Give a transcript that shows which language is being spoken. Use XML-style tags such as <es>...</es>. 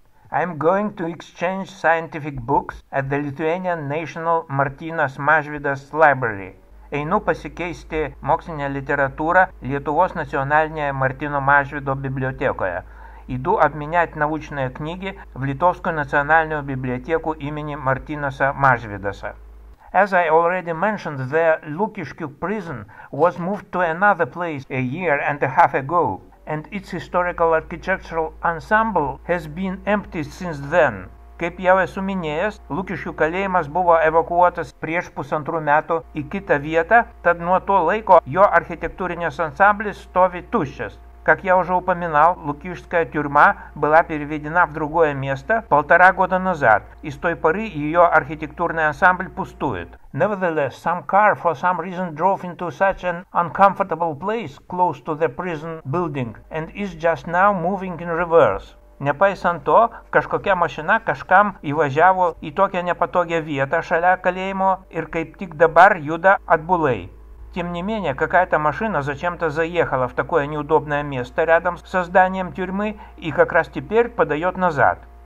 <en>I'm going to exchange scientific books at the Lithuanian National Martynas Mažvydas Library.</en> <lt>Einu pasikeisti mokslinę literatūrą Lietuvos nacionalinėje Martyno Mažvydo bibliotekoje.</lt> <ru>Иду обменять научные книги в Литовскую национальную библиотеку имени Мартинаса Мажвидаса.</ru> <en>As I already mentioned, the Lukiškių prison was moved to another place a year and a half ago, and its historical architectural ensemble has been empty since then.</en> <lt>Kaip jau esu minėjęs, Lukiškių kalėjimas buvo evakuotas prieš pusantrų metų į kitą vietą, tad nuo to laiko jo architektūrinės ansamblis stovi tuščias.</lt> <ru>Как я уже упоминал, Лукишская тюрьма была переведена в другое место полтора года назад, и с той поры ее архитектурный ансамбль пустует.</ru> <en>Nevertheless, some car for some reason drove into such an uncomfortable place close to the prison building and is just now moving in reverse.</en> <lt>Nepaisant to, kažkokia mašina kažkam įvažiavo į tokią nepatogią vietą šalia kalėjimo ir kaip tik dабар juda atbulai.</lt> <ru>Тем не менее, какая-то машина зачем-то заехала в такое неудобное место рядом с зданием тюрьмы и как раз теперь подает назад.</ru>